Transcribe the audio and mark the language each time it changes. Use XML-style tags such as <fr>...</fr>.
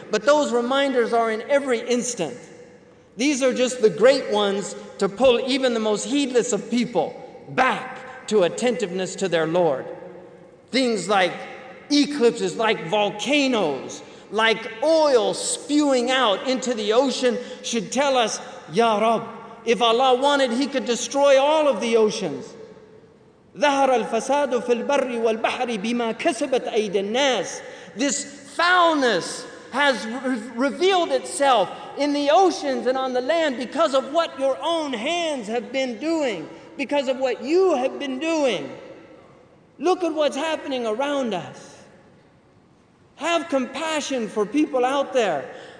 <en>But those reminders are in every instant. These are just the great ones to pull even the most heedless of people back to attentiveness to their Lord. Things like eclipses, like volcanoes, like oil spewing out into the ocean should tell us,</en> <ar>Ya Rab,</ar> <en>if Allah wanted, He could destroy all of the oceans.</en> <ar>ظهر الفساد في البر والبحر بما كسبت أيدي الناس.</ar> <en>This foulness has revealed itself in the oceans and on the land because of what your own hands have been doing, because of what you have been doing. Look at what's happening around us. Have compassion for people out there.</en>